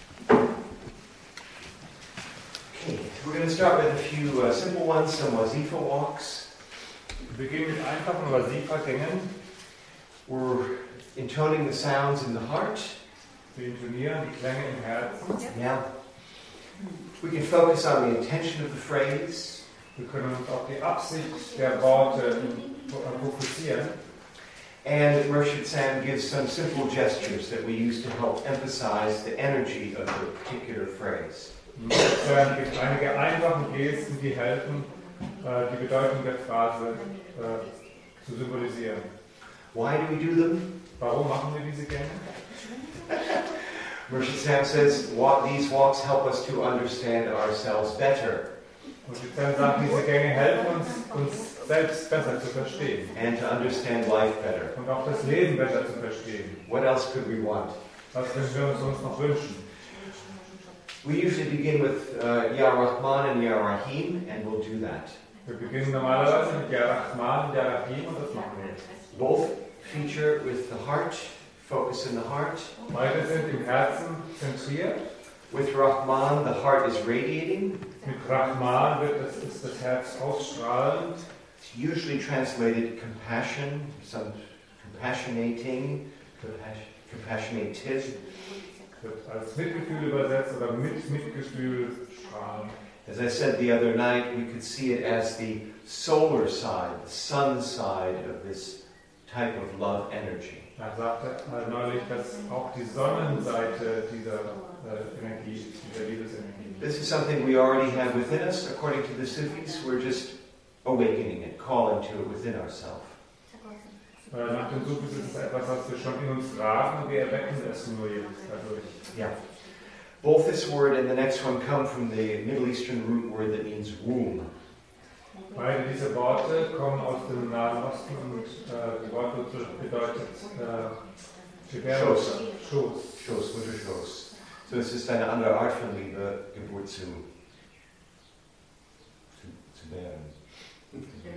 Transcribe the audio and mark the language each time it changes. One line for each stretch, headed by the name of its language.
English: Okay, we're going to start with a few simple ones, some Wazifa walks.
German: Wir beginnen mit einfachen Wazifa-Gängen.
English: We're intoning the sounds in the heart.
German: Wir intonieren die Klänge im Herzen.
English: Yeah. We can focus on the intention of the phrase.
German: Wir können uns auf die Absicht der Worte fokussieren.
English: And Murshid Sam gives some simple gestures that we use to help emphasize the energy of the particular phrase.
German: Murshid Sam gibt einige einfache Gesten, die helfen, die Bedeutung der Phrase zu symbolisieren.
English: Why do we do them?
German: Warum machen wir diese Gänge?
English: Murshid Sam says, these walks help us to understand ourselves better.
German: Murshid Sam sagt, diese Gänge helfen uns, uns selbst besser zu verstehen.
English: And to understand life better.
German: Und auch das Leben besser zu verstehen.
English: What else could we want?
German: Was können wir uns sonst noch wünschen?
English: We usually begin with Ya Rahman and Ya Rahim, and we'll do that.
German: Wir beginnen normalerweise mit Ya Rahman und Ya Rahim, und das machen wir.
English: Both feature with the heart, focus in the heart.
German: Beide sind im Herzen zentriert.
English: With Rahman, the heart is radiating.
German: Mit Rahman wird das, ist das Herz ausstrahlend.
English: It's usually translated compassion, some compassionating, compassionative.
German: Als Mitgefühl übersetzt oder mit Mitgefühl strahlen.
English: As I said the other night, we could see it as the solar side, the sun side of this type of love energy.
German: Er sagte neulich, dass auch die Sonnenseite dieser Energie, dieser Liebesenergie.
English: This is something we already have within us. According to the Sufis, we're just awakening it, calling to it within ourselves.
German: Nach dem Sufis ist es etwas, was wir schon in uns tragen, und wir erwecken es nur jetzt dadurch.
English: Yeah. Both this word and the next one come from the Middle Eastern root word that means womb.
German: Beide diese Worte kommen aus dem Nahen Osten und die Worte bedeutet Schoß. Schoß, Mutterschoß. So es ist eine andere Art von Liebe, Geburt zu bären.